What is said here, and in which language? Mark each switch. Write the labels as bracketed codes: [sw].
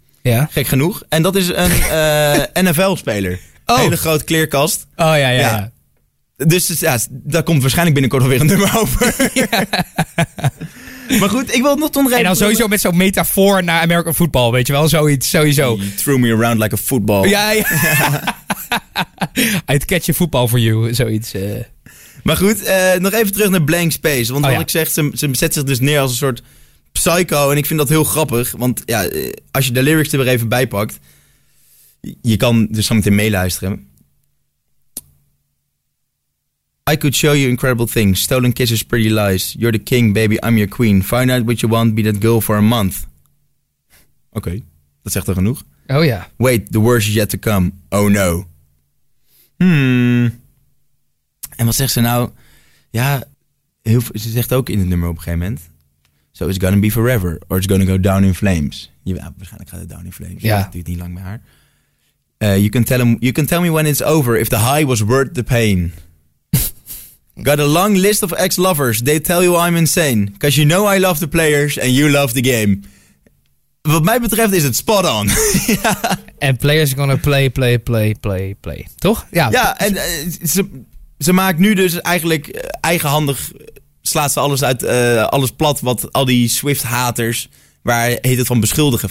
[nl] Ja. Gek genoeg. En dat is een NFL-speler. Oh. Hele grote kleerkast. Oh, ja. Dus ja, daar komt waarschijnlijk binnenkort alweer een nummer over. Ja. Maar goed, ik wil het nog toch. En dan sowieso met zo'n metafoor naar American Football, weet je wel? Zoiets, sowieso. [en] You threw me around like a football. [nl] Ja. [en] I'd catch a football for you, [nl] zoiets. Maar goed, nog even terug naar Blank Space. Want wat ik zeg, ze zet zich dus neer als een soort psycho. En ik vind dat heel grappig. Want ja, als je de lyrics er weer even bij pakt. Je kan dus zo meteen meeluisteren. [en] I could show you incredible things. Stolen kisses, pretty lies. You're the king, baby, I'm your queen. Find out what you want, be that girl for a month. [nl] Oké, dat zegt er genoeg. Oh ja. [en] Wait, the worst is yet to come. Oh no. [nl] Hmm. En wat zegt ze nou? Ja, ze zegt ook in het nummer op een gegeven moment. [en] So it's gonna be forever, or it's gonna go down in flames. [nl] Ja, waarschijnlijk gaat het [en] down in flames. [nl] Ja. Het duurt niet lang met haar. [en] You can tell me when it's over, if the high was worth the pain. Got a long list of ex-lovers. They tell you I'm insane. Because you know I love the players and you love the game. [nl] Wat mij betreft is het spot on. En ja. [en] Players gonna play. [nl] Toch? Ja, ja en ze maakt nu dus eigenlijk eigenhandig. Slaat ze alles uit, alles plat. Wat al die Swift-haters, waar heet het van beschuldigen.